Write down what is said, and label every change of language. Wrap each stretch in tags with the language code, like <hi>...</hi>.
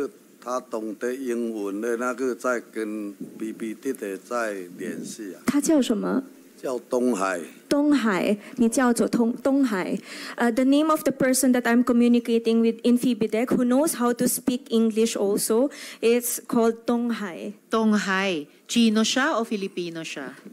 <zh>我们都是那个一个叫东海的那个他懂得英文的那个在跟 BBD 的在联系啊。他叫什么? 叫东海，东海，你叫做东海。</zh> <en>The name of the person that I'm communicating with in Fividec, who knows how to speak English also, it's called 东海.</en> <tl>东海, Chino siya o Filipino siya?</tl>